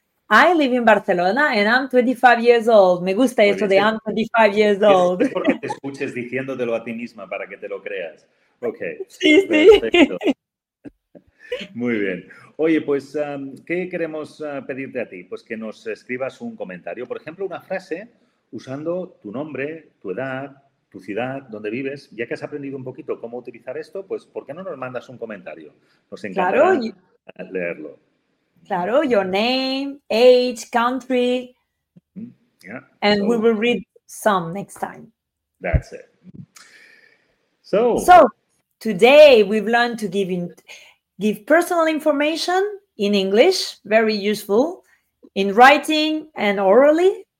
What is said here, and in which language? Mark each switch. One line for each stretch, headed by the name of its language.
English: I live in Barcelona and I'm 25 years old.
Spanish: Me gusta eso de
English: I'm 25 years old.
Spanish: Es porque te escuches diciéndotelo a ti misma para que te lo creas. Ok. Sí, perfecto. Sí. Muy bien. Oye, pues, ¿qué queremos pedirte a ti? Pues que nos escribas un comentario. Por ejemplo, una frase usando tu nombre, tu edad, tu ciudad, donde vives, ya que has aprendido un poquito cómo utilizar esto, pues, ¿por qué no nos mandas un comentario? Nos encantará leerlo.
English: Claro, your name, age, country, and we will read some next time. That's it. So today we've learned to give personal information in English, very useful, in writing and orally.